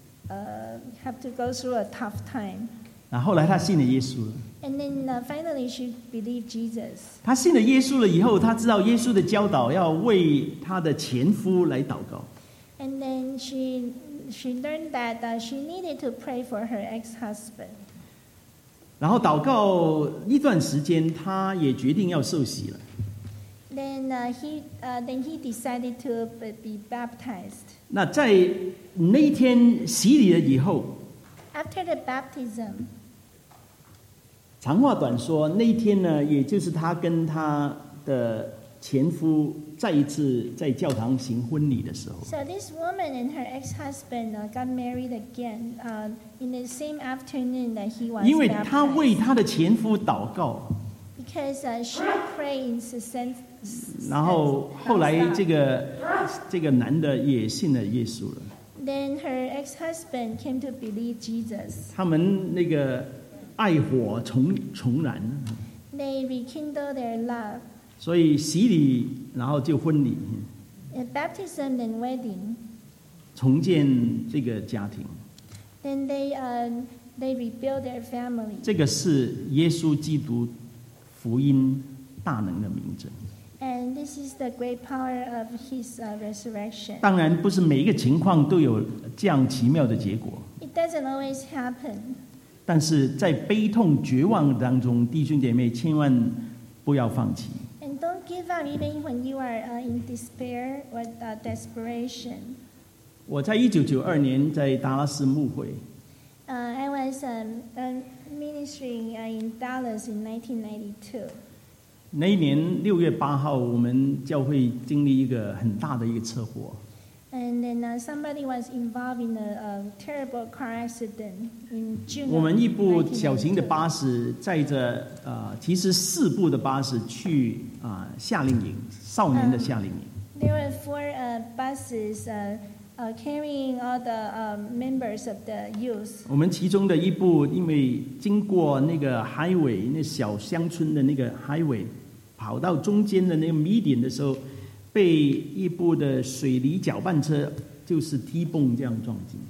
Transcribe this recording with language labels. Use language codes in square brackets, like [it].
[en] And have to go through a tough time. [zh] 那后来他信了耶稣了。 [en] And then finally she believed Jesus. [zh] 他信了耶稣了以后，他知道耶稣的教导要为他的前夫来祷告。 [en] And then she learned that she needed to pray for her ex-husband. [zh] 然后祷告一段时间，他也决定要受洗了。 [en] Then he decided to be baptized. [zh] 那在那一天洗礼了以后 [en] ，After the baptism， [zh] 长话短说，那一天呢，也就是他跟他的前夫再一次在教堂行婚礼的时候。 [en] So this woman and her ex-husband got married again, in the same afternoon that he was baptized. [zh] 因为她为她的前夫祷告。 [en] Because she prayed in the sense. [zh] 然后后来这个男的也信了耶稣了。 [en] Then her ex-husband came to believe Jesus. [zh] 他们那个爱火重燃。 [en] They rekindled their love. [zh] 所以洗礼，然后就婚礼。 [en] Baptism and wedding. [zh] 重建这个家庭。 [en] Then they rebuild their family. [zh] 这个是耶稣基督福音大能的明证。 [en] And this is the great power of his resurrection. [zh] 当然，不是每一个情况都有这样奇妙的结果。 [en] It doesn't always happen. [zh] 但是在悲痛绝望当中，弟兄姐妹千万不要放弃。 [en] Don't give up even when you are in despair or desperation. [zh] 我在1992年在达拉斯牧会。 [en] I was ministering in Dallas in 1992. [zh] 那一年6月8号，我们教会经历一个很大的一个车祸。 [en] And then somebody was involved in a terrible car accident in June. [zh] 我们一部小型的巴士载着其实四部的巴士去夏令营，少年的夏令营。 [en] There were four buses carrying all the members of the youth. [zh] 我们其中的一部因为经过那个 highway， 那小乡村的那个 highway， 跑到中间的那个 median 的时候。被一部的水泥搅拌车就是 T-bone 这样撞进。